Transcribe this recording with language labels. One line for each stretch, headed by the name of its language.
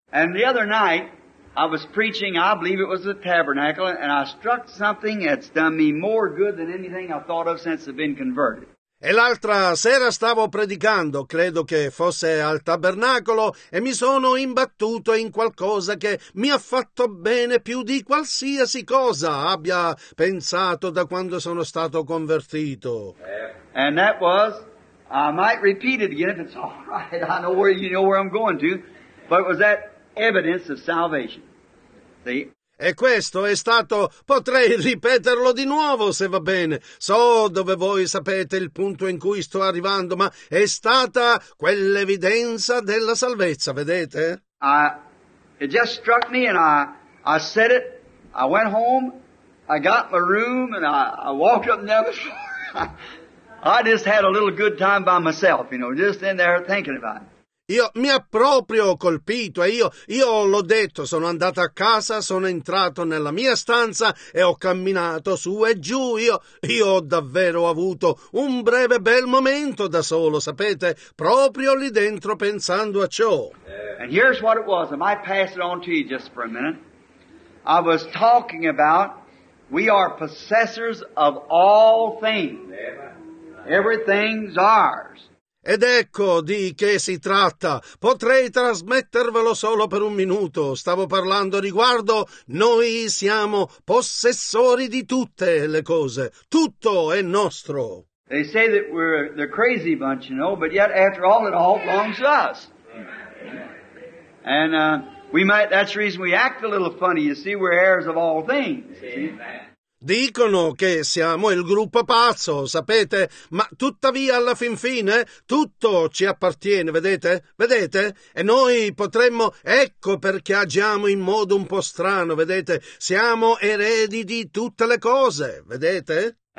English: And the other night, I was preaching, I believe it was the tabernacle, and I struck something that's done me more good than anything I thought of since I've been converted.
Italian: E l'altra sera stavo predicando, credo che fosse al tabernacolo, e mi sono imbattuto in qualcosa che mi ha fatto bene più di qualsiasi cosa abbia pensato da quando sono stato convertito.
English: And that was, I might repeat it again if it's all right, I know where you know where I'm going to, but it was that evidence of salvation. See?
Italian: E questo è stato, potrei ripeterlo di nuovo se va bene, so dove voi sapete il punto in cui sto arrivando, ma è stata quell'evidenza della salvezza, vedete?
English: It just struck me and I said it, I went home, I got my room and I walked up and down the floor. I just had a little good time by myself, you know, just in there thinking about it.
Italian: Io mi ha proprio colpito e io l'ho detto, sono andato a casa, sono entrato nella mia stanza e ho camminato su e giù. Io ho davvero avuto un breve bel momento da solo, sapete, proprio lì dentro pensando a ciò.
English: And here's what it was. I might pass it on to you just for a minute. I was talking about we are possessors of all things. Everything's ours.
Italian: Ed ecco di che si tratta. Potrei trasmettervelo solo per un minuto. Stavo parlando riguardo noi siamo possessori di tutte le cose. Tutto è nostro.
English: They say that we're the crazy bunch, you know, but yet after all it all belongs to us. And that's the reason we act a little funny, you see, we're heirs of all things. Amen.
Italian: Dicono che siamo il gruppo pazzo, sapete? Ma tuttavia alla fin fine tutto ci appartiene, vedete? Vedete? E noi potremmo... Ecco perché agiamo in modo un po' strano, vedete? Siamo eredi di tutte le cose, vedete?